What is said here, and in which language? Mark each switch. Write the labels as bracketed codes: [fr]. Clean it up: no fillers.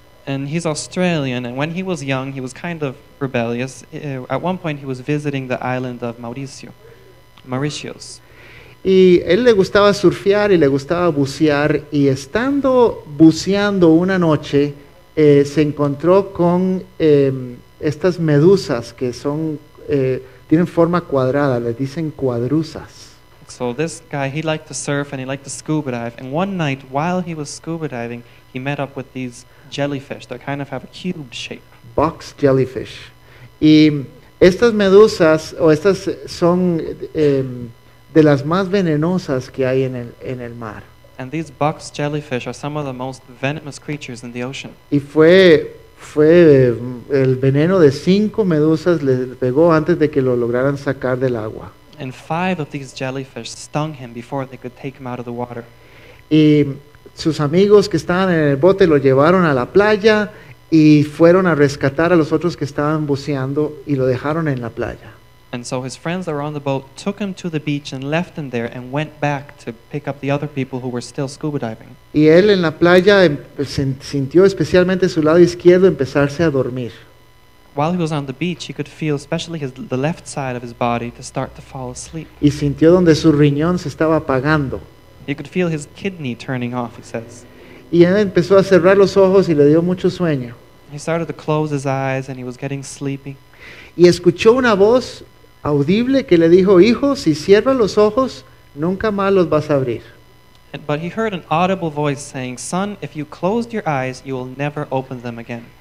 [en] And he's Australian, and when he was young, he was kind of rebellious. At one point, he was visiting the island of Mauritius. [es] Y él le gustaba surfear y le gustaba bucear, y estando buceando una noche, se encontró con estas medusas que son tienen forma cuadrada, le dicen cuadrusas. [en] So this guy, he liked to surf and he liked to scuba dive, and one night while he was scuba diving, he met up with these jellyfish that kind of have a cube shape. Box jellyfish. [es] Y estas medusas, o estas son de las más venenosas que hay en el mar. [en] And these box jellyfish are some of the most venomous creatures in the ocean. [es] Y fue el veneno de 5 medusas les pegó antes de que lo lograran sacar del agua. [en] And 5 of these jellyfish stung him before they could take him out of the water. [es] Y sus amigos que estaban en el bote lo llevaron a la playa y fueron a rescatar a los otros que estaban buceando y lo dejaron en la playa. [en] And so his friends that were on the boat took him to the beach and left him there and went back to pick up the other people who were still scuba diving. [es] Y él en la playa sintió especialmente su lado izquierdo empezarse a dormir. [en] While he was on the beach, he could feel especially the left side of his body to start to fall asleep. [es] Y sintió donde su riñón se estaba apagando. [en] He could feel his kidney turning off, he says. [es] Y él empezó a cerrar los ojos y le dio mucho sueño. [en] He started to close his eyes and he was getting sleepy. [es] Y escuchó una voz audible que le dijo, hijo, si cierras los ojos, nunca más los vas a abrir. [en] But he heard an audible voice saying, son, if you closed your eyes, you will never open them again.